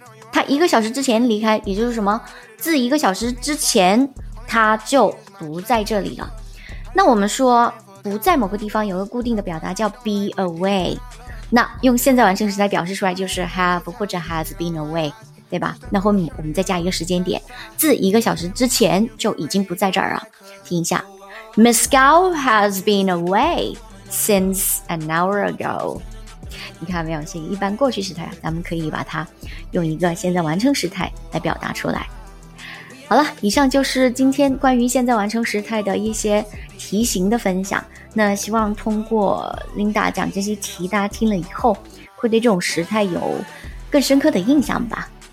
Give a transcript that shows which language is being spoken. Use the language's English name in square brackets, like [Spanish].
[Chinese] 他一个小时之前离开，也就是什么，自一个小时之前他就不在这里了。那我们说不在某个地方有个固定的表达叫 [English] be away， [Chinese] 那用现在完成时态表示出来就是 have 或者 [English] has been away， [Chinese] 对吧？那后面我们再加一个时间点，自一个小时之前就已经不在这儿了。听一下， [English] Miss Gao has been away since an hour ago。 [Chinese] 你看没有，是一般过去时态，咱们可以把它用一个现在完成时态来表达出来。好了，以上就是今天关于现在完成时态的一些题型的分享。那希望通过 Linda 讲这些题，大家听了以后会对这种时态有更深刻的印象吧。